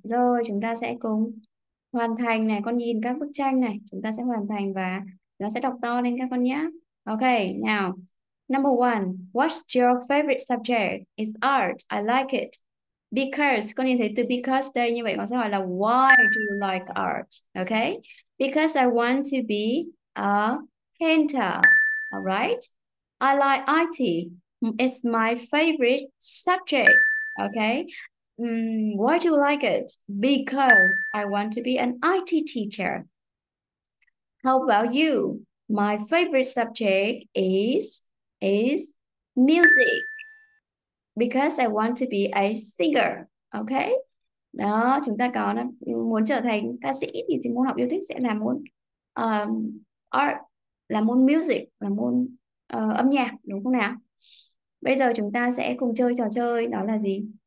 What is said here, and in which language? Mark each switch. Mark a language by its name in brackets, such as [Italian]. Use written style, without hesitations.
[Vietnamese] Rồi, chúng ta sẽ cùng hoàn thành này. Con nhìn các bức tranh này. Chúng ta sẽ hoàn thành và nó sẽ đọc to lên các con nhé. [English] Okay, now. Number 1, what's your favorite subject? It's art. I like it. [Vietnamese] Because, con nhìn thấy từ because đây như vậy con sẽ hỏi là [English] why do you like art? Okay? Because I want to be a painter. All right? I like IT. It's my favorite subject. Okay? Why do you like it? Because I want to be an IT teacher. How about you? My favorite subject is music. Because I want to be a singer, okay? [Vietnamese] Đó, chúng ta có muốn trở thành ca sĩ thì môn học yêu thích sẽ là môn art, là môn music, là môn âm nhạc, đúng không nào? Bây giờ chúng ta sẽ cùng chơi trò chơi, đó là gì?